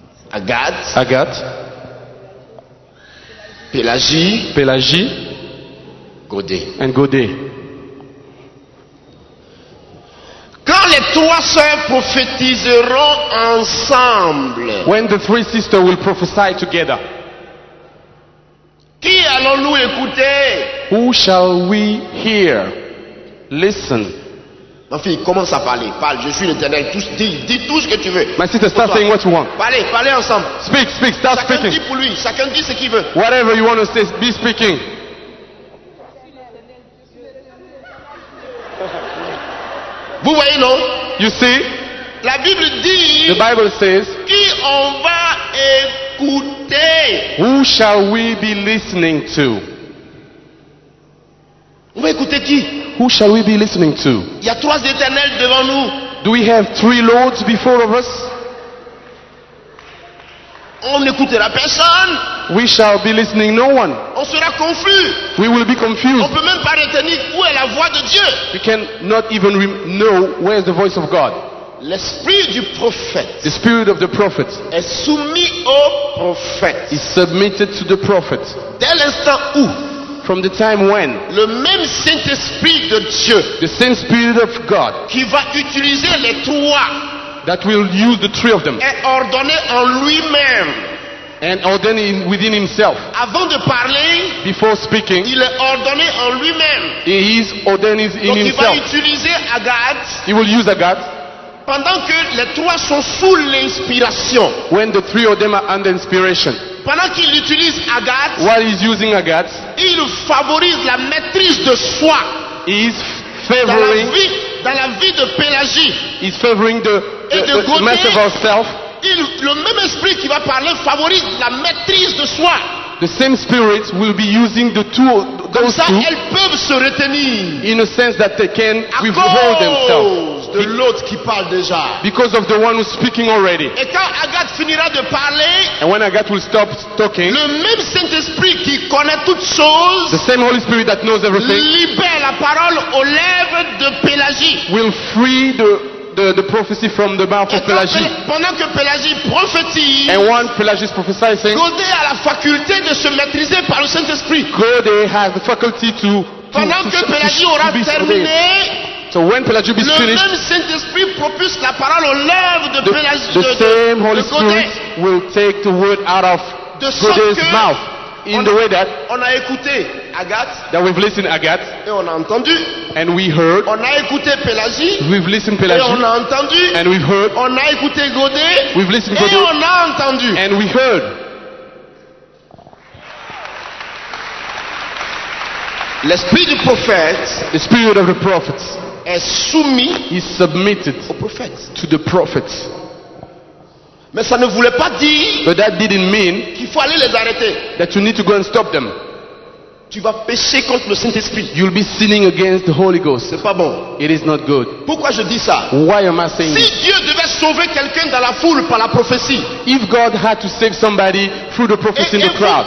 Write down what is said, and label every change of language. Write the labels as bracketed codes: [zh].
[fr] Agathe. Pélagie. Godet. [en] And Godet. [fr] Quand les trois sœurs prophétiseront ensemble. [en] When the three sisters will prophesy together. [fr] Qui allons-nous écouter? [en] Who shall we hear? Listen. [fr] Ma fille, commence à parler. Parle, je suis l'Éternel. Dis tout ce que tu veux. [en] My sister, start saying what you want. [fr] Parlez ensemble. [en] Speak, start [fr] chacun [en] speaking. [fr] Chacun dit pour lui, chacun dit ce qu'il veut. [en] Whatever you want to say, be speaking. [fr] Vous voyez, non? [en] You see? [fr] La Bible dit. [en] The Bible says. [fr] Qui on va écouter? [en] Who shall we be listening to? [fr] On va écouter qui? [en] Who shall we be listening to? [fr] Il y a trois éternels devant nous. [en] Do we have three lords before of us? [fr] On n'écoutera personne. [en] We shall be listening no one. [fr] On sera confus. [en] We will be confused. [fr] On peut même pas retenir où est la voix de Dieu. [en] We can not even know where is the voice of God. [fr] L'esprit du prophète. [en] The spirit of the prophet. [fr] Est soumis au prophète. [en] Is submitted to the prophet. [fr] Dès l'instant où. [en] From the time when [fr] le même Saint-Esprit de Dieu, [en] the same Spirit of God, [fr] qui va utiliser les trois, [en] that will use the three of them, [fr] est ordonné en lui-même, [en] and ordained within himself, [fr] avant de parler, [en] before speaking, [fr] il est ordonné en lui-même, [en] he is ordained in [fr] donc donc il va utiliser Agathe, [en] he will use Agathe, [fr] pendant que les trois sont sous l'inspiration, [en] when the three of them are under inspiration. [fr] Pendant qu'il utilise Agathe, [en] while he's using Agathe, [fr] il favorise la maîtrise de soi. [en] He is favoring [fr] dans la vie de Pélagie. [en] He's favoring the master of ourself. [fr] Le même esprit qui va parler favorise la maîtrise de soi. [en] The same spirit will be using the two. [fr] Comme ça, elles peuvent se retenir. [en] In a sense that they can withhold themselves. [fr] De l'autre qui parle déjà. [en] Because of the one who's speaking already. [fr] Et quand Agathe finira de parler, [en] and when Agathe will stop talking, [fr] le même Saint-Esprit qui connaît toutes choses, [en] the same Holy Spirit that knows everything, [fr] libère la parole aux lèvres de Pélagie. [en] Will free the prophecy from the mouth of Pélagie. [fr] Pendant que Pélagie prophétise, [en] and one Pélagie prophesies, saying, [fr] Godet a la faculté de se maîtriser par le Saint-Esprit. [en] Godet has the faculty to. [fr] Pendant que Pélagie aura terminé, [en] so when Pélagie is finished, [fr] le même Saint-Esprit propulse la parole aux lèvres de Pélagie. [en] The same Holy Spirit will take the word out of Godet's mouth. In the way that [fr] on a écouté Agathe, [en] that we've listened Agathe, [fr] et on a entendu, [en] and we heard, [fr] on a écouté Pélagie, [en] we've listened Pélagie, [fr] et on a entendu, [en] and we've heard, [fr] on a écouté Godet, [en] we've listened [fr] et [en] Godet, [fr] on a entendu, [en] and we heard. [fr] L'esprit du prophète, [en] the spirit of the prophets, [fr] est soumis, [en] is submitted, [fr] au prophète, [en] to the prophets. [fr] Mais ça ne voulait pas dire [en] that didn't mean [fr] qu'il faut aller les arrêter. [en] That you need to go and stop them. [fr] Tu vas pécher contre le Saint-Esprit. [en] You'll be sinning against the Holy Ghost. [fr] C'est pas bon. [en] It is not good. [fr] Pourquoi je dis ça? [en] Why am I saying this? [fr] Si Dieu devait sauver quelqu'un dans la foule par la prophétie. [en] If God had to save somebody through the prophecy in the crowd.